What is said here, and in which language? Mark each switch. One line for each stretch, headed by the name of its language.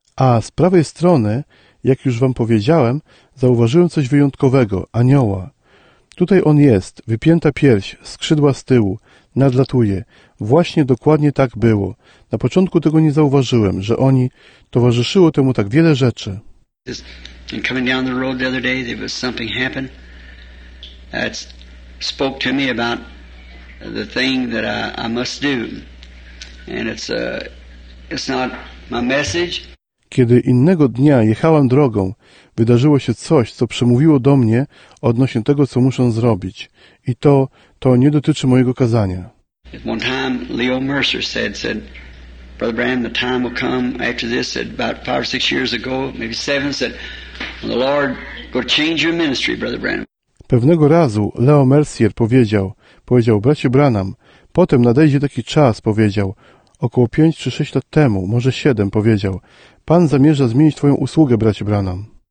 Polish: A z prawej strony, jak już wam powiedziałem, zauważyłem coś wyjątkowego, anioła. Tutaj on jest, wypięta pierś, skrzydła z tyłu, nadlatuje. Właśnie dokładnie tak było. Na początku tego nie zauważyłem, że oni towarzyszyło temu tak wiele rzeczy.
English: And coming down the road the other day, there was something happened that spoke to me about the thing that I must do. And it's not my message.
Polish: Kiedy innego dnia jechałem drogą, wydarzyło się coś, co przemówiło do mnie odnośnie tego, co muszę zrobić. I to nie dotyczy mojego kazania.
English: One time Leo Mercer said, Brother Branham, the time will come after this, said about 5 or 6 years ago, maybe 7, said, the Lord will change your ministry, Brother Branham.
Polish: Pewnego razu Leo Mercer powiedział, bracie Branham, potem nadejdzie taki czas, powiedział, około 5 czy 6 lat temu, może 7, powiedział, Pan zamierza zmienić Twoją usługę, bracie Branham.